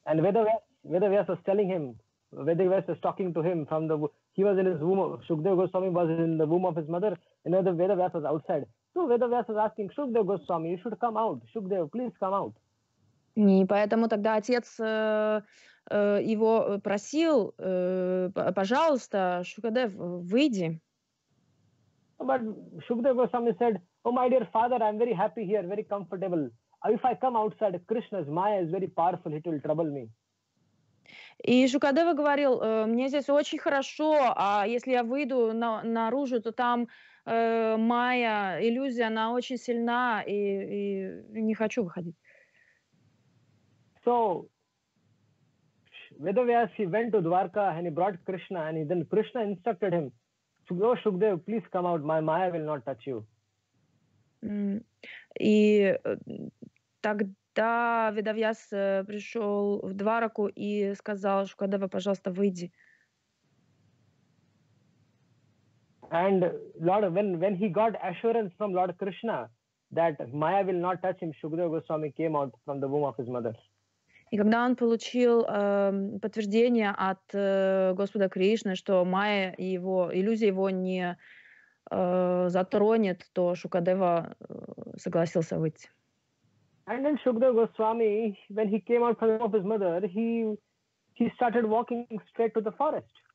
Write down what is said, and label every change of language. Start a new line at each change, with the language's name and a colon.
English: And Vedavyas was telling him, Vedavyas was talking to him from the womb. He was in his womb, Shukadeva Goswami was in the womb of his mother, and Vedavyas was outside. So Vedavyas was asking, Shukadeva Goswami, you should come out. Shukadeva, please come out.
Russian: И поэтому тогда отец его просил, пожалуйста, Шукадев, выйди.
English: But Shukadeva Goswami said, oh, my dear father, I'm very happy here, very comfortable. If I come outside, Krishna's Maya is very powerful, it will trouble me.
Russian: И Шукадева говорил, мне здесь очень хорошо, а если я выйду наружу, то там Майя, иллюзия, она очень сильна, и не хочу выходить.
English: So Vedavyas, he went to Dwarka and he brought Krishna and then Krishna instructed him, go Shukadeva, please come out, my Maya will not touch you.
Russian: И тогда Vedavyas пришел в Двараку и сказал, Шукадева, пожалуйста, выйди.
English: And Lord, when he got assurance from Lord Krishna that Maya will not touch him, Shukadeva Goswami came out from the womb of his mother.
Russian: И когда он получил подтверждение от Господа Кришны, что Майя его, иллюзия его не затронет, то Шукадева согласился выйти.
English: And then Shukadeva Goswami, when he came out from the womb of his mother, he started walking straight to the forest.